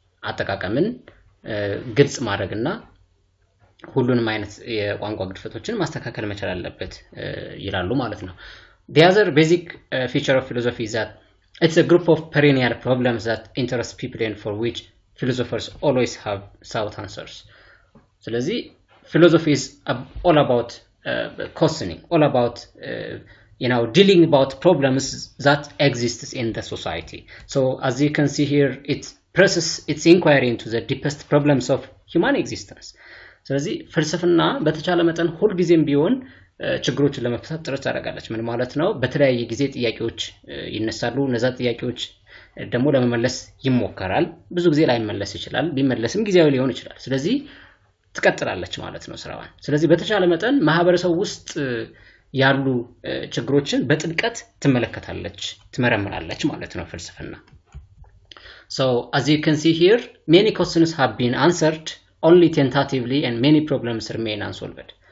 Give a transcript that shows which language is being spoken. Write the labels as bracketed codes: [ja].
[am] አጠቃቀምን ግልጽ ማድረግና ሁሉንም አይነት የቋንቋ ግድፈቶችን ማስተካከል መቻል አለበት ይላሉ ማለት ነው። [en] The other basic feature of philosophy is that it's a group of perennial problems that interest people and for which philosophers always have sought answers. [am] ስለዚህ [en] philosophy is all about questioning, all about dealing about problems that exist in the society. So as you can see here, it presses its inquiry into the deepest problems of human existence. [am] ስለዚህ ፍልስፍና በተቻለ መጠን ሁሉ ጊዜም ቢሆን ችግሮችን ለመፍታት ጥረት ያደርጋለች። ምን ማለት ነው? በተለያየ ጊዜ ጥያቄዎች ይነሳሉ። እነዛ ጥያቄዎች ደግሞ ለመመለስ ይሞከራል። ብዙ ጊዜ ላይመለስ ይችላል፣ ቢመለስም ጊዜያዊ ሊሆን ይችላል። ስለዚህ ትቀጥላለች ማለት ነው ስራዋን። ስለዚህ በተቻለ መጠን ማህበረሰብ ውስጥ ያሉ ችግሮችን በጥልቀት ትመለከታለች፣ ትመረምራለች ማለት ነው ፍልስፍና። [en] So as you can see here, many questions have been answered only tentatively and many problems remain unsolved.